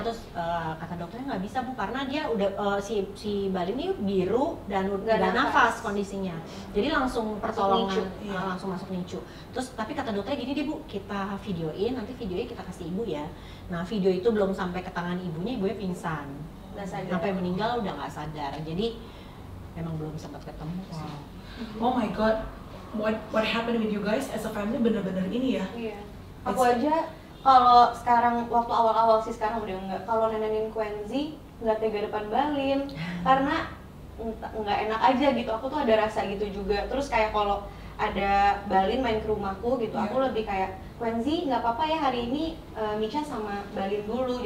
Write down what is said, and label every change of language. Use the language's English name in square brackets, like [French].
[Indonesian] Terus kata dokternya nggak bisa bu, karena dia udah si Balin ini biru dan nggak ada nafas kondisinya, jadi langsung pertolongan langsung masuk NICU. Terus tapi kata dokternya gini deh bu, kita videoin, nanti videonya kita kasih ibu ya. Nah video itu belum sampai ke tangan ibunya, ibunya pingsan sampai meninggal udah nggak sadar, jadi memang belum sempat ketemu. [English] Oh my god, What happened with you guys as a family, [Indonesian] benar-benar ini ya? Iya. Aku aja kalau sekarang waktu awal-awal sih, sekarang udah enggak, kalau nenenin Quenzi enggak tega depan Balin karena enggak enak aja gitu. Aku tuh ada rasa gitu juga. Terus kayak kalau ada Balin main ke rumahku gitu, aku lebih kayak Quenzi enggak apa-apa ya hari ini Micha sama Balin dulu.